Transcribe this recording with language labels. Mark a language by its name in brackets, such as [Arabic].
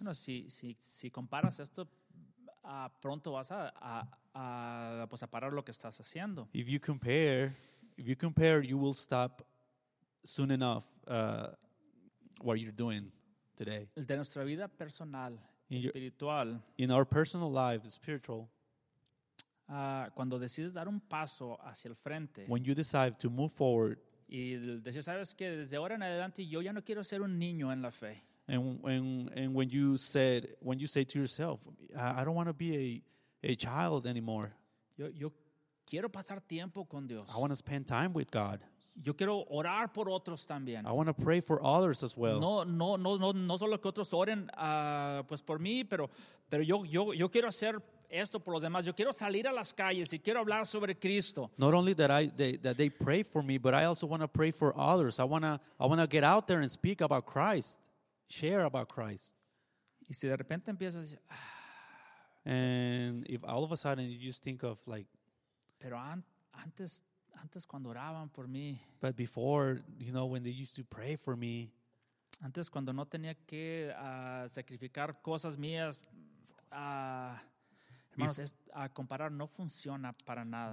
[Spanish] Bueno, si comparas esto, pronto vas a parar lo que estás haciendo. [English] If you compare, you will stop soon enough what you're doing today. [Spanish] De nuestra vida personal, espiritual. [English] In our personal life, spiritual. [Spanish] Cuando decides dar un paso hacia el frente. [English] When you decide to move forward. [Spanish] Y decir, sabes que desde ahora en adelante yo ya no quiero ser un niño en la fe. [English] And when you say to yourself, I don't want to be a child anymore. [Spanish] Yo quiero pasar tiempo con Dios. [English] I want to spend time with God. [Spanish] Yo quiero orar por otros también. [English] I want to pray for others as well. [Spanish] No solo que otros oren pues por mí, pero yo quiero hacer esto por los demás. Yo quiero salir a las calles y quiero hablar sobre Cristo. [English] Not only that they pray for me, but I also want to pray for others. I want to get out there and speak about Christ. Share about Christ. [Spanish] Y si de repente empiezas, [English] and if all of a sudden you just think of like, [Spanish] pero antes cuando oraban por mí, [English] but before, you know, when they used to pray for me, [Spanish] antes cuando no tenía que sacrificar cosas mías, hermanos, comparar no funciona para nada.